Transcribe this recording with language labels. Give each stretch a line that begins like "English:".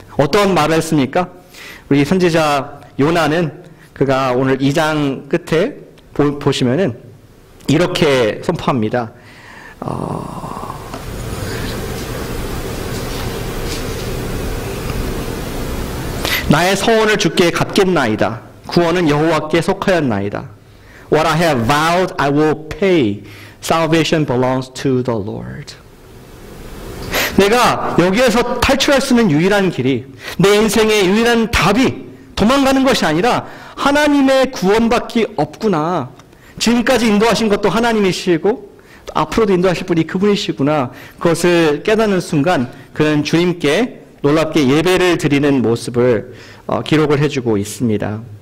Korean: 어떤 말을 했습니까? 우리 선지자 요나는 그가 오늘 2장 끝에 보시면은 이렇게 선포합니다. 나의 서원을 주께 갚겠나이다. 구원은 여호와께 속하였나이다.
English: What I have vowed, I will pay. Salvation belongs to the Lord.
Korean: 내가 여기에서 탈출할 수 있는 유일한 길이, 내 인생의 유일한 답이 도망가는 것이 아니라 하나님의 구원밖에 없구나. 지금까지 인도하신 것도 하나님이시고 앞으로도 인도하실 분이 그분이시구나. 그것을 깨닫는 순간 그는 주님께 놀랍게 예배를 드리는 모습을 기록을 해주고 있습니다.